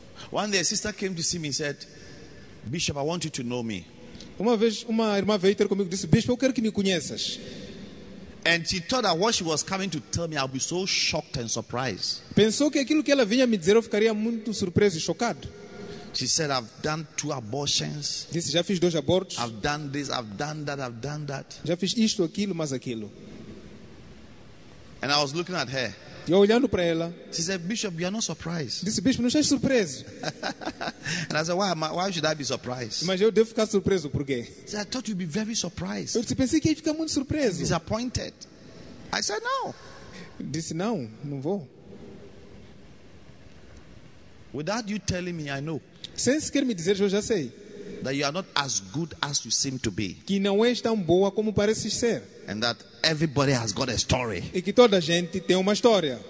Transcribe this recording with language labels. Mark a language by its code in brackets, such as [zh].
[en] One day a sister came to see me and said, Bishop, I want you to know me. [pt] Uma vez uma irmã veio ter comigo e disse, Bishop, eu quero que me conheças. [en] And she thought that what she was coming to tell me, I'll be so shocked and surprised. [pt] Pensou que aquilo que ela vinha me dizer eu ficaria muito surpreso e chocado. [en] She said, I've done 2 abortions. [pt] Disse, já fiz 2 abortos. [en] I've done this, I've done that, I've done that. [pt] Já fiz isto, aquilo, mais aquilo. [en] And I was looking at her. [pt] E olhando para ela. [en] She said, Bishop, you are not surprised. [pt] Disse, Bishop, não estás surpreso. [en] And I said, why should I be surprised? [pt] Mas eu devo ficar surpreso, por quê? [en] She said, I thought you'd be very surprised. [pt] Eu pensei que ia ficar muito surpreso. [en] Disappointed. I said, no. [pt] Disse, não, não vou. [en] Without you telling me, I know. [pt] Sem sequer me dizer, eu já sei. [en] That you are not as good as you seem to be. [pt] Que não és tão boa como pareces ser. [en] And that everybody has got a story. [pt] E que toda a gente tem uma história.